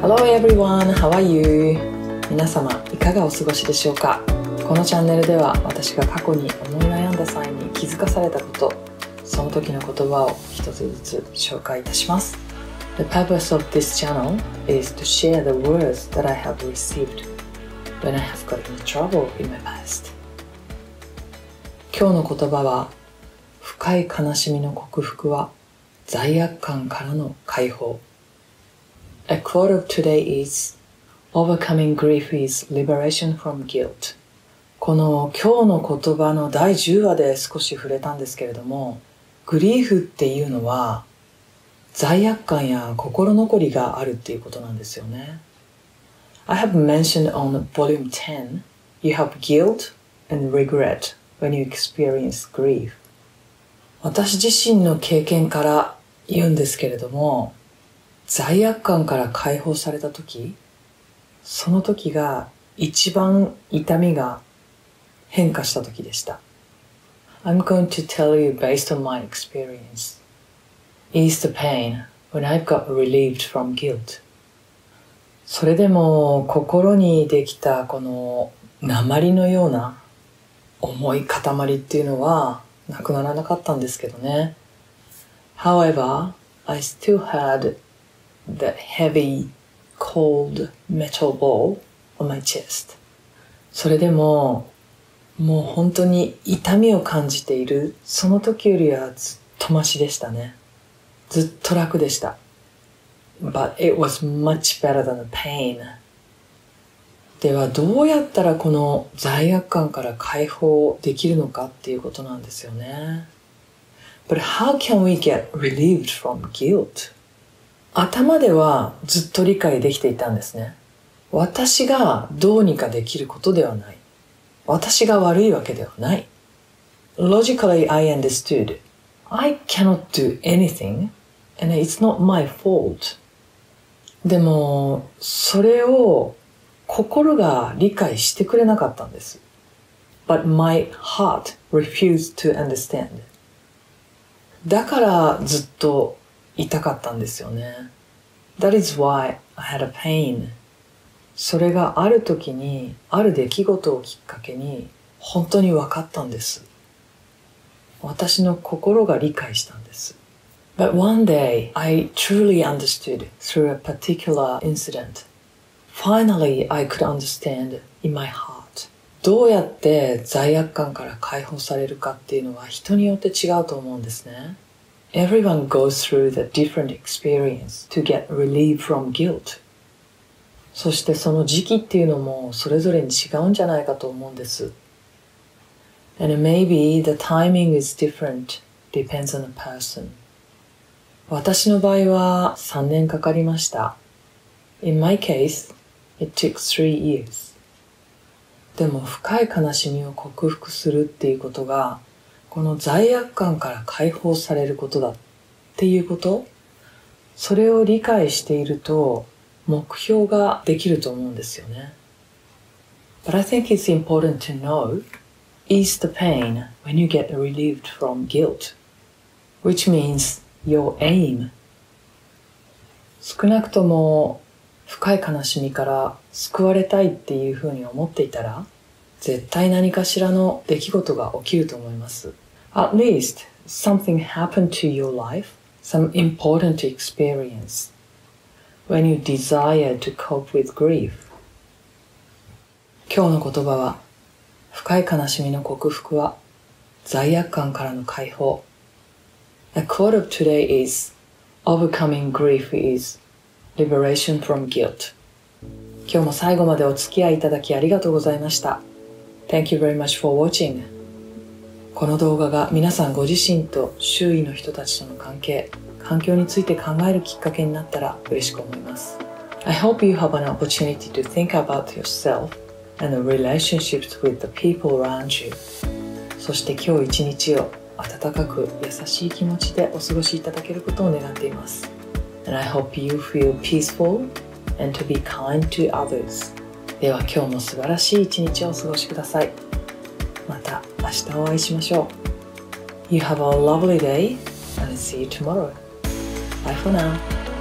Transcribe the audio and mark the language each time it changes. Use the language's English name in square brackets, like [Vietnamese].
[English] Hello everyone, how are you? [Japanese] 皆様、いかがお過ごしでしょうか？このチャンネルでは、私が過去に思い悩んだ際に気づかされたこと、その時の言葉を一つずつ紹介いたします。 [English] The purpose of this channel is to share the words that I have received when I have got in trouble in my past. [Japanese] 今日の言葉は、深い悲しみの克服は罪悪感からの解放。 [English] A quote of today is, Overcoming grief is liberation from guilt. [Japanese] この今日の言葉の第10話で少し触れたんですけれども、グリーフっていうのは罪悪感や心残りがあるっていうことなんですよね。 [English] I have mentioned on volume 10, you have guilt and regret when you experience grief. [Japanese] 私自身の経験から言うんですけれども、罪悪感から解放されたとき、そのときが一番痛みが変化したときでした。 [English] I'm going to tell you based on my experience. Ease the pain when I've got relieved from guilt. [Japanese] それでも心にできたこの鉛のような重い塊っていうのはなくならなかったんですけどね。 [English] However, I still had that heavy, cold metal ball on my chest. [Japanese] それでももう本当に痛みを感じている、その時よりはずっとマシでしたね。ずっと楽でした。 [English] But it was much better than the pain. [Japanese] ではどうやったらこの罪悪感から解放できるのかっていうことなんですよね。 [English] But how can we get relieved from guilt? [Japanese] 頭ではずっと理解できていたんですね。私がどうにかできることではない。私が悪いわけではない。 [English] Logically, I understood. I cannot do anything, and it's not my fault. [Japanese] でも、それを心が理解してくれなかったんです。 [English] But my heart refused to understand. [Japanese] だからずっと痛かったんですよね。 [English] That is why I had a pain. [Japanese] それがある時に、ある出来事をきっかけに、本当に分かったんです。私の心が理解したんです。 [English] But one day, I truly understood through a particular incident. Finally, I could understand in my heart. [Japanese] どうやって罪悪感から解放されるかっていうのは人によって違うと思うんですね。 [English] Everyone goes through the different experience to get relief from guilt. [Japanese] そしてその時期っていうのもそれぞれに違うんじゃないかと思うんです。 [English] And maybe the timing is different, depends on the person. [Japanese] 私の場合は3年かかりました。 [English] In my case, it took 3 years. [Japanese] でも深い悲しみを克服するっていうことが、この罪悪感から解放されることだっていうこと、それを理解していると、目標ができると思うんですよね。 [English] But I think it's important to know, ease the pain when you get relieved from guilt, which means your aim. [Japanese] 少なくとも深い悲しみから救われたいっていうふうに思っていたら、絶対何かしらの出来事が起きると思います。 [English] At least something happened to your life, some important experience. When you desire to cope with grief. [Japanese] 今日の言葉は、深い悲しみの克服は罪悪感からの解放。 [English] A quote of today is, Overcoming grief is liberation from guilt. [Japanese] 今日も最後までお付き合いいただきありがとうございました。 [English] Thank you very much for watching. [Japanese] この動画が皆さんご自身と周囲の人たちとの関係、環境について考えるきっかけになったら嬉しく思います。 [English] I hope you have an opportunity to think about yourself and the relationships with the people around you. [Japanese] そして今日一日を温かく優しい気持ちでお過ごしいただけることを願っています。 [English] And I hope you feel peaceful and to be kind to others. [Japanese] では今日も素晴らしい一日をお過ごしください。また明日お会いしましょう。 [English] You have a lovely day and see you tomorrow. Bye for now.